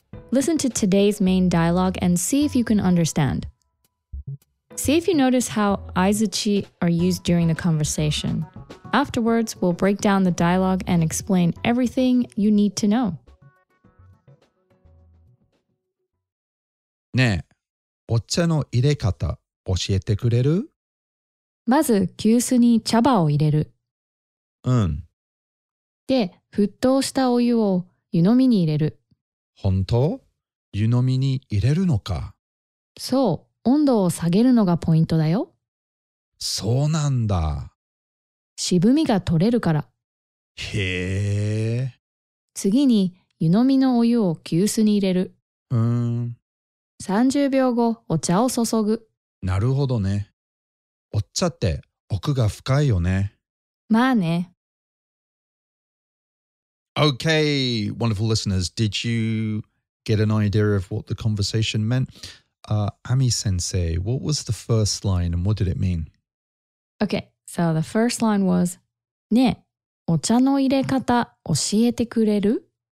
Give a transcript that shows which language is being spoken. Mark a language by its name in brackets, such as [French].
[English] Listen to today's main dialogue and see if you can understand. See if you notice how aizuchi are used during the conversation. Afterwards, we'll break down the dialogue and explain everything you need to know. [Japanese] ねえ、お茶の入れ方教えてくれる？まず、急須に茶葉を入れる。うん。で、沸騰したお湯を湯飲みに入れる。本当？湯飲みに入れるのか。そう、温度を下げるのがポイントだよ。そうなんだ。渋みが取れるから。へえ。次に、湯飲みのお湯を急須に入れる。 30 秒後、お茶を注ぐ。なるほどね。お茶って奥が深いよね。まあね。 [English] Okay, wonderful listeners, did you get an idea of what the conversation meant? Ami-sensei, what was the first line and what did it mean? Okay, so the first line was, [Japanese] ねえ、お茶の入れ方教えてくれる？